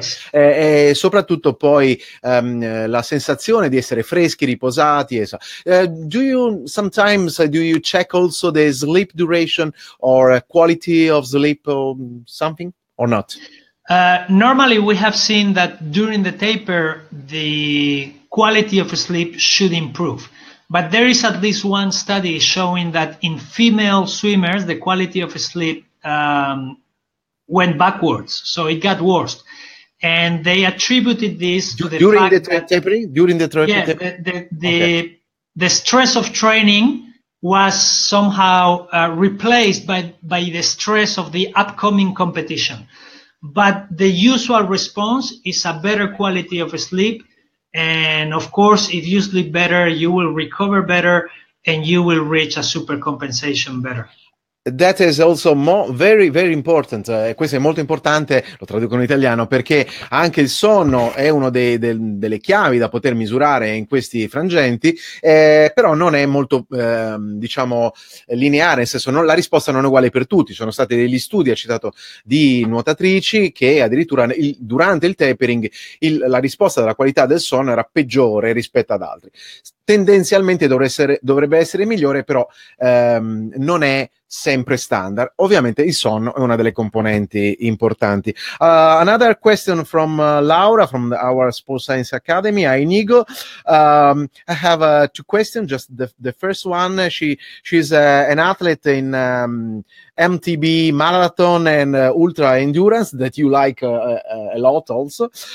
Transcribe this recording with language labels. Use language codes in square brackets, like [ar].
[it] E soprattutto poi la sensazione di essere freschi, riposati. [en] Do you check also the sleep duration or quality of sleep or something or not? Normally we have seen that during the taper the quality of sleep should improve, but there is at least one study showing that in female swimmers the quality of sleep went backwards, so it got worse, and they attributed this to the during fact the tapering. During the tapering, yeah, the stress of training was somehow replaced by the stress of the upcoming competition. But the usual response is a better quality of sleep, and of course, if you sleep better, you will recover better, and you will reach a super compensation better. That is also very, very important. [it] Questo è molto importante, lo traduco in italiano, perché anche il sonno è uno delle chiavi da poter misurare in questi frangenti, però non è molto, diciamo, lineare, nel senso la risposta non è uguale per tutti. Sono stati degli studi, ha citato, di nuotatrici che addirittura durante il tapering la risposta della qualità del sonno era peggiore rispetto ad altri. Tendenzialmente dovrebbe essere migliore, però non è sempre standard. Ovviamente il sonno è una delle componenti importanti. [en] Another question from Laura from our Sports Science Academy. Hi Nigo, I have two questions. Just the first one, she's an athlete in MTB marathon and ultra endurance that you like a lot also.